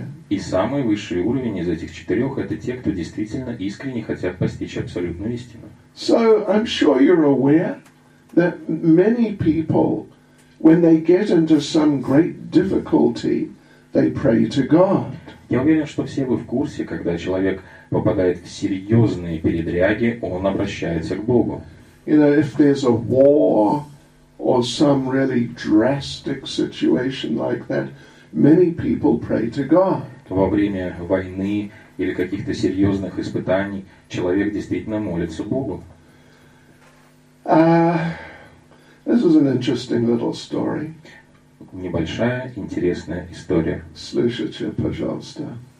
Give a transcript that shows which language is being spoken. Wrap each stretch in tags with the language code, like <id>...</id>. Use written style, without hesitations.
<ru>И самый высший уровень из этих четырех — это те, кто действительно искренне хотят постичь абсолютную истину.</ru> <en>So I'm sure you're aware that many people, when they get into some great difficulty, they pray to God.</en> <ru>Я уверен, что все вы в курсе, когда человек попадает в серьезные передряги, он обращается к Богу.</ru> <en>You know, if there's a war or some really drastic situation like that, many people pray to God.</en> <ru>Во время войны или каких-то серьезных испытаний человек действительно молится Богу.</ru> <en>This is an interesting little story.</en> <ru>Небольшая интересная история. Слушайте, пожалуйста.</ru>